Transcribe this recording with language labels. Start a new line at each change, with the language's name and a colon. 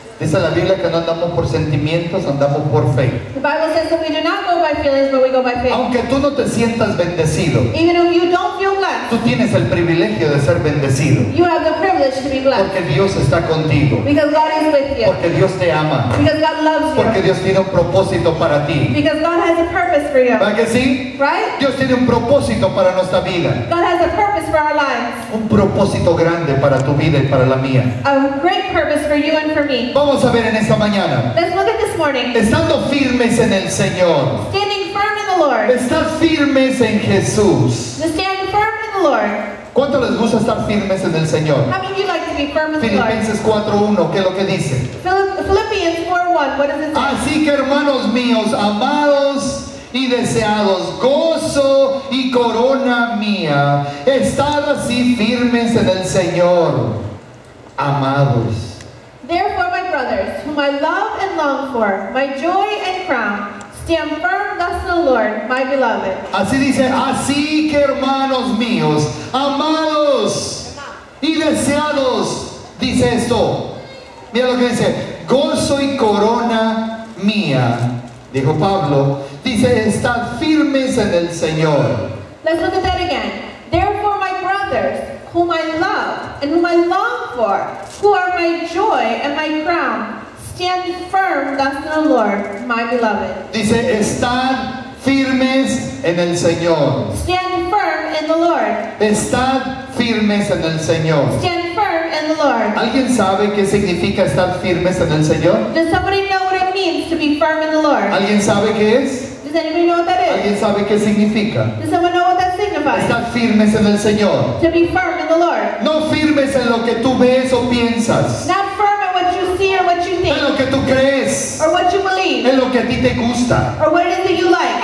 Spanish: Dice la Biblia que no andamos por sentimientos, andamos por fe.
English: The Bible says that we do not go by feelings, but we go by faith.
Spanish: Aunque tú no te sientas bendecido,
English: even if you don't feel blessed,
Spanish: tú tienes el privilegio de ser bendecido.
English: You have the privilege to be blessed.
Spanish: Porque Dios está contigo.
English: Because God is with you.
Spanish: Porque Dios te ama.
English: Because God loves you.
Spanish: Porque Dios tiene un propósito para ti.
English: Because God has a purpose for you.
Spanish: ¿Verdad que sí?
English: Right?
Spanish: Dios tiene un propósito para nuestra vida.
English: God has a purpose for our lives.
Spanish: Un propósito grande para tu vida y para la mía.
English: A great purpose for you and for me.
Spanish: Vamos a ver en esta mañana.
English: Let's look at this morning.
Spanish: Estando firmes en el Señor.
English: Standing firm in the Lord.
Spanish: Estar firmes en Jesús.
English: Lord.
Spanish: ¿Cuánto les gusta estar firmes en el Señor?
English: How many of you like to be firm in
Spanish: Filipenses 4:1, ¿qué es lo que dice?
English: Philippians 4:1, what does it say?
Spanish: Así que hermanos míos, amados y deseados, gozo y corona mía, estad así firmes en el Señor, amados.
English: Therefore, my brothers, whom I love and long for, my joy and crown, stand firm thus the Lord, my beloved.
Spanish: Así dice, así que hermanos míos, amados y deseados, dice esto. Mira lo que dice, gozo y corona mía, dijo Pablo, dice, estad firmes en el Señor.
English: Let's look at that again. Therefore, my brothers, whom I love and whom I long for, who are my joy and my crown, stand firm, thus the Lord, my beloved.
Spanish: Dice, estad firmes en el Señor.
English: Stand firm in the Lord.
Spanish: Estad firmes en el Señor.
English: Stand firm in the Lord.
Spanish: ¿Alguien sabe qué significa estar firmes en el Señor?
English: Does somebody know what it means to be firm in the Lord?
Spanish: ¿Alguien sabe qué es?
English: Does anybody know what that is?
Spanish: ¿Alguien sabe qué significa?
English: Does someone know what that signifies?
Spanish: Estar firmes en el Señor.
English: To be firm in the Lord.
Spanish: No firmes en lo que tú ves o piensas.
English: Not firm in what you see or what you think.
Spanish: En lo que tú crees.
English: Or what you believe.
Spanish: En lo que a ti te gusta.
English: Or what it is that you like.